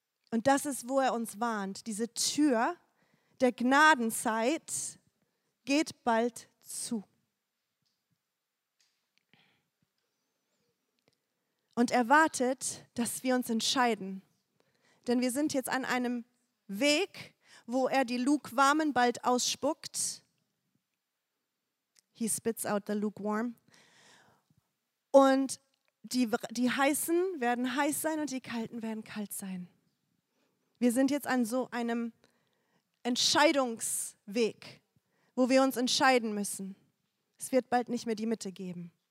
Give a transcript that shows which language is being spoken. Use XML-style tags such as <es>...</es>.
<de>Und das ist, wo er uns warnt. Diese Tür der Gnadenzeit geht bald zu. Und er wartet, dass wir uns entscheiden. Denn wir sind jetzt an einem Weg, wo er die Lukewarmen bald ausspuckt.</de> <en>He spits out the lukewarm.</en> <de>Und die Heißen werden heiß sein und die Kalten werden kalt sein. Wir sind jetzt an so einem Entscheidungsweg, wo wir uns entscheiden müssen. Es wird bald nicht mehr die Mitte geben.</de>